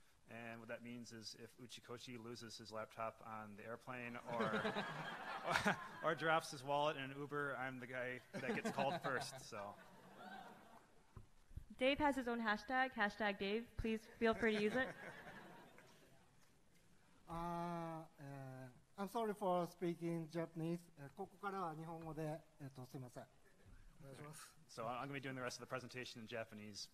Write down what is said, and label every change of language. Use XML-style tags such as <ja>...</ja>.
<en>And what that means is if Uchikoshi loses his laptop on the airplane or drops his wallet in an Uber, I'm the guy that gets called first, so. Dave has his own hashtag, hashtag Dave. Please feel free to use it. I'm sorry for speaking Japanese.</en> <ja>ここからは日本語で、すいません。</ja> <en>So I'm going to be doing the rest of the presentation in Japanese.</en>